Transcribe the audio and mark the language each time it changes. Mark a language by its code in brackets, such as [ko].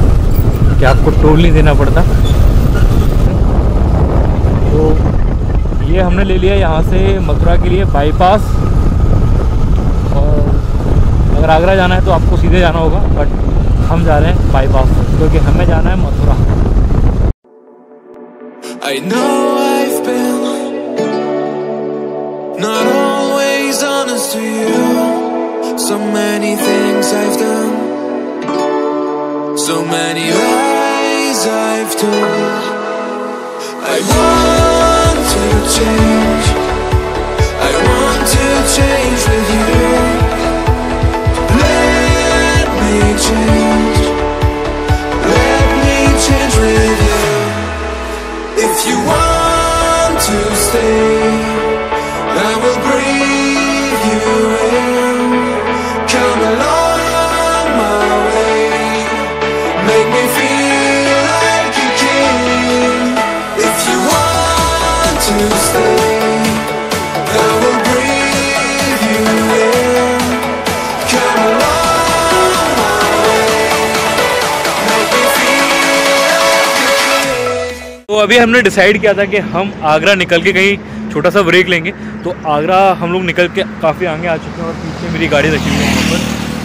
[hi] कि आपको टोल नहीं देना पड़ता। तो ये हमने ले लिया यहाँ से मथुरा के लिए बाईपास, और अगर आगरा जाना है तो आपको सीधे जाना होगा, बट हम जा रहे हैं बाईपास क्योंकि हमें जाना है Mathura. [en] I know I've been not always honest to you. So many things I've done, so many lies I've told. I want to change, I want to change with you. Let me change, let me change with you. If you want to stay, I will breathe you in. Come along my way, make me feel like a king. If you want to stay, I will breathe you in. Come along my way, make me feel like a king. [hi] तो अभी हमने decide किया था कि हम आगरा निकल के कहीं छोटा सा ब्रेक लेंगे, तो आगरा हम लोग निकल के काफ़ी आगे आ चुके हैं और पीछे मेरी गाड़ी रखी हुई है यहाँ पर।